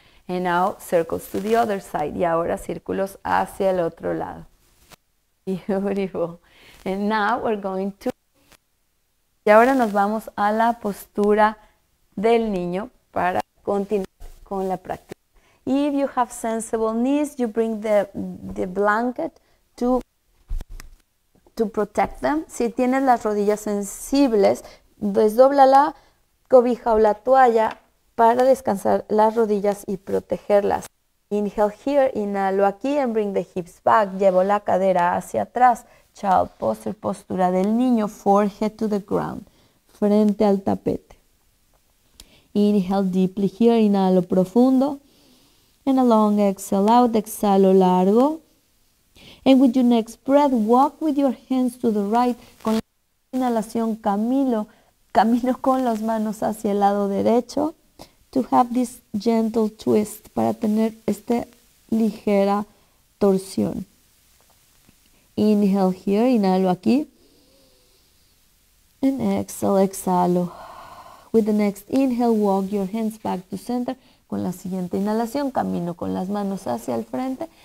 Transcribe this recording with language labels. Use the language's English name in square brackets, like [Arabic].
[English] And now circles to the other side. [Spanish] Y ahora círculos hacia el otro lado. [English] Beautiful. And now we're going to... [Spanish] Y ahora nos vamos a la postura del niño para continuar con la práctica. [English] If you have sensible knees, you bring the blanket to protect them. [Spanish] Si tienes las rodillas sensibles, desdobla la cobija o la toalla para descansar las rodillas y protegerlas. [English] Inhale here, [Spanish] inhalo aquí [English] and bring the hips back. [Spanish] Llevo la cadera hacia atrás. [English] Child pose, [Spanish] postura del niño, [English] forehead to the ground, [Spanish] frente al tapete. [English] Inhale deeply here, [Spanish] inhalo profundo. [English] And a long exhale out, [Spanish] exhalo largo. [English] And with your next breath, walk with your hands to the right. [Spanish] Con la inhalación camino con las manos hacia el lado derecho. [English] To have this gentle twist, [Spanish] para tener esta ligera torsión. [English] Inhale here, [Spanish] inhalo aquí. [English] And exhale, [Spanish] exhalo. [English] With the next inhale, walk your hands back to center. [Spanish] Con la siguiente inhalación, camino con las manos hacia el frente.